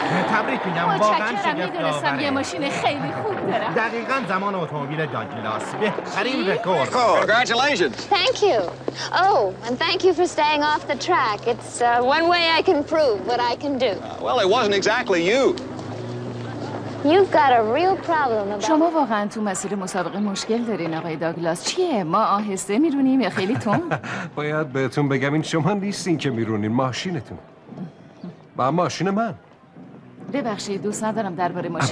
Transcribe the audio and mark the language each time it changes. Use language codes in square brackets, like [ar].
[fa] تبریک میگم، واقعا شگفت آوره. میدونستم یه ماشین خیلی خوب دارم. دقیقاً زمان اتومبیل داگلاس، بهترین رکورد. [en] Congratulations. Thank you. Oh, and thank you for staying off the track. It's one way I can prove what I can do. Well, it wasn't exactly you. You've got a real problem about. [fa] شما واقعا تو مسیر مسابقه مشکل دارین آقای داگلاس. چیه؟ ما آهسته میرونیم یا خیلی تون؟ باید بهتون بگم این شما نیستین که میرونین، ماشینتون. با ماشین من. ببخشید، دوست ندارم درباره ماشین.